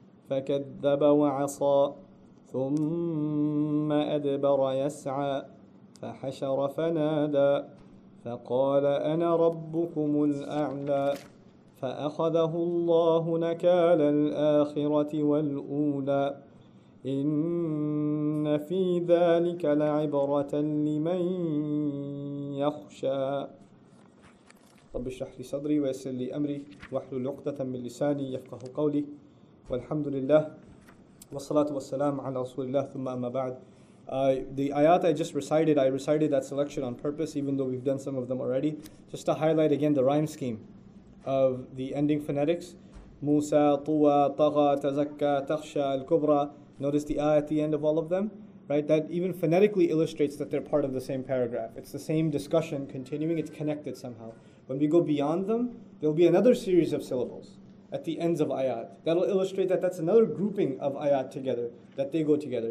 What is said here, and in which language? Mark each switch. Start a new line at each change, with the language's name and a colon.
Arabic: فكذب وعصى ثم أدبر يسعى فحشر فنادى فقال أنا ربكم الأعلى فأخذه الله نكال الآخرة والأولى إن في ذلك لعبرة لمن يخشى. رب اشرح لي صدري ويسر لي أمري واحلل عقدة من لساني يفقه قولي والحمد لله والصلاة والسلام على رسول الله ثم أما بعد.
English: The ayat I just recited, I recited that selection on purpose, even though we've done some of them already, just to highlight again the rhyme scheme of the ending phonetics.
Arabic: موسى طوى طغى تزكى تخشى الكبرى.
English: Notice the ayah at the end of all of them, right? That even phonetically illustrates that they're part of the same paragraph. It's the same discussion continuing, it's connected somehow. When we go beyond them, there'll be another series of syllables at the ends of ayat. That'll illustrate that that's another grouping of ayat together, that they go together.